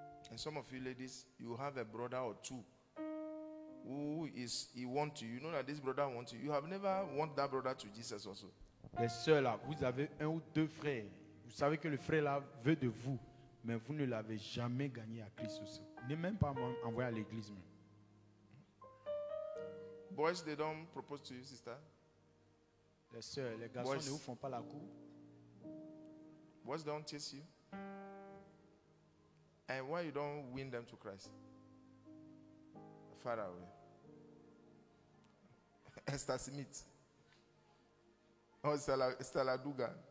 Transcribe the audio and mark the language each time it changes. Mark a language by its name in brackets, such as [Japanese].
[English] And some of you ladies, you have a brother or two who is he wants you. You know that this brother wants you. You have never want that brother to Jesus also. [French] Les sœurs là, vous avez un ou deux frères. Vous savez que le frère là veut de vous, mais vous ne l'avez jamais gagné à Christ aussi. N'est même pas envoyé à l'église même. [English] Boys, they don't propose to you, sister. [French] Les sœurs, les garçons ne vous font pas la cour. [English] Boys, they don't chase you. And why you don't win them to Christ? Far away. Esther Smith. Oh, Stella Dugan.